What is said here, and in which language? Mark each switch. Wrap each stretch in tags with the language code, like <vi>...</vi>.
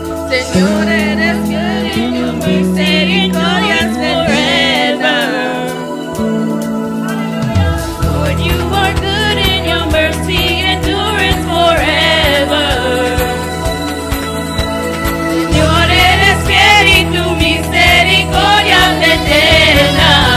<es>Señor, eres bien y tu misericordia es</es> <en>forever. Lord, you are good and your mercy endures forever.</en> <es>Señor, eres bien y tu misericordia es eterna.</es>